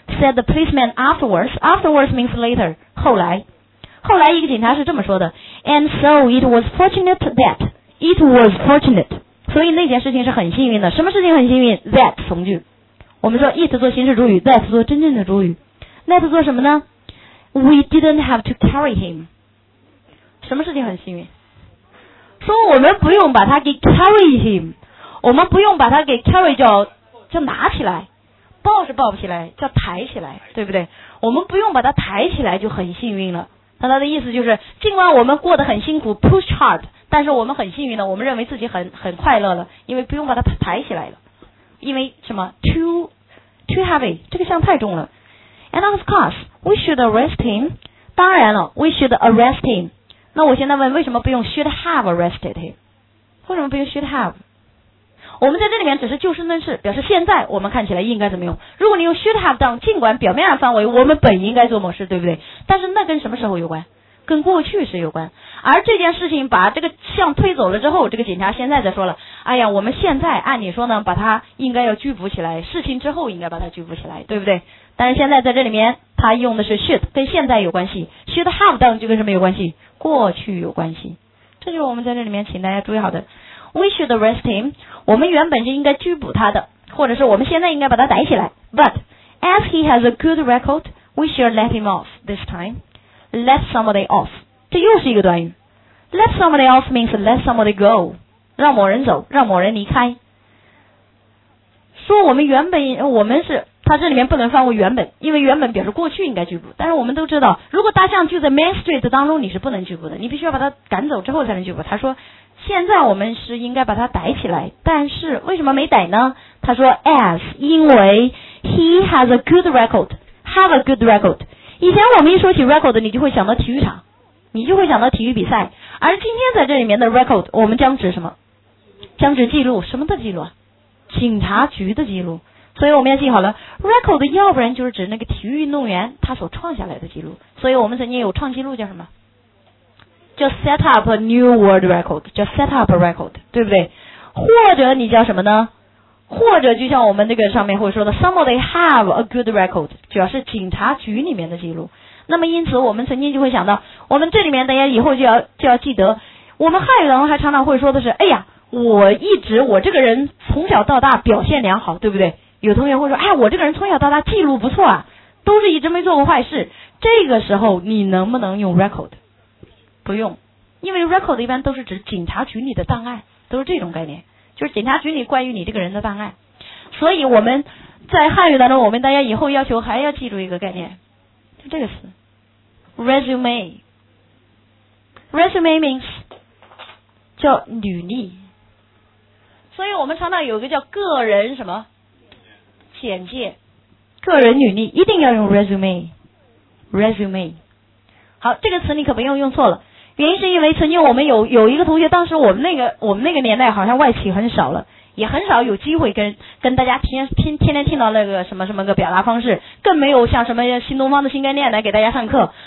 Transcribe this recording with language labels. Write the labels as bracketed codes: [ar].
[en] said the policeman afterwards， afterwards means later， 后来。 [zh] 后来一个警察是这么说的， [en] and so it was fortunate [zh] that， it was fortunate， 所以那件事情是很幸运的。什么事情很幸运？ that 从句，我们说 it 做形式主语， that 做真正的主语。 that 做什么呢？ [en] we didn't have to carry him。 [zh] 什么事情很幸运？说我们不用把他给 carry him， 我们不用把他给 carry， 叫拿起来，抱是抱不起来，叫抬起来，对不对？我们不用把他抬起来就很幸运了。那他的意思就是，尽管我们过得很辛苦 [en] push hard， [zh] 但是我们很幸运的，我们认为自己很快乐了，因为不用把他抬起来了。因为什么？ too heavy， 这个像太重了。 [en] and of course we should arrest him， [zh] 当然了 [en] we should arrest him。 [zh] 那我现在问，为什么不用 [en] should have arrested him？ [zh] 为什么不用 should have？我们在这里面只是就事论事，表示现在我们看起来应该怎么用。如果你用 [en] should have done， [zh] 尽管表面上范围我们本应该做某事，对不对？但是那跟什么时候有关？跟过去时有关。而这件事情把这个像推走了之后，这个警察现在才说了，哎呀，我们现在按理说呢，把他应该要拘捕起来，事情之后应该把他拘捕起来，对不对？但是现在在这里面他用的是 should， 跟现在有关系。 [en] should have done [zh] 就跟什么有关系？过去有关系。这就是我们在这里面请大家注意好的。 [en] We should arrest him， [zh] 我们原本是应该拘捕他的，或者是我们现在应该把他逮起来。 [en] But as he has a good record， we should let him off this time。 [zh] Let somebody off， 这又是一个短语。 [en] Let somebody off means let somebody go， [zh] 让某人走，让某人离开。说我们原本我们是，他这里面不能放为原本，因为原本表示过去应该拘捕。但是我们都知道，如果大象就在 Main Street 当中，你是不能拘捕的，你必须要把它赶走之后才能拘捕。他说现在我们是应该把它逮起来，但是为什么没逮呢？他说 as， 因为 [en] he has a good record， have a good record。 [zh] 以前我们一说起 record， 你就会想到体育场，你就会想到体育比赛。而今天在这里面的 record， 我们将指什么？将指记录。什么的记录？警察局的记录。所以我们要记好了， record 要不然就是指那个体育运动员他所创下来的记录。所以我们曾经有创记录叫什么？叫 [en] set up a new world record， [zh] 叫 [en] set up a record， [zh] 对不对？或者你叫什么呢？或者就像我们这个上面会说的， [en] somebody have a good record， [zh] 主要是警察局里面的记录。那么因此我们曾经就会想到，我们这里面大家以后就要记得，我们汉语当中还常常会说的是，哎呀，我这个人从小到大表现良好，对不对？有同学会说，哎，我这个人从小到大记录不错啊，都是一直没做过坏事。这个时候你能不能用 record？ 不用，因为 record 一般都是指警察局里的档案，都是这种概念，就是警察局里关于你这个人的档案。所以我们在汉语当中，我们大家以后要求还要记住一个概念，就这个词 resume。 resume means 叫履历。所以我们常常有一个叫个人什么简介，个人履历，一定要用 resume。 resume 好，这个词你可不用用错了。原因是因为曾经我们有一个同学，当时我们那个年代好像外企很少了，也很少有机会跟大家天天听到那个什么什么个表达方式，更没有像什么新东方的新概念来给大家上课。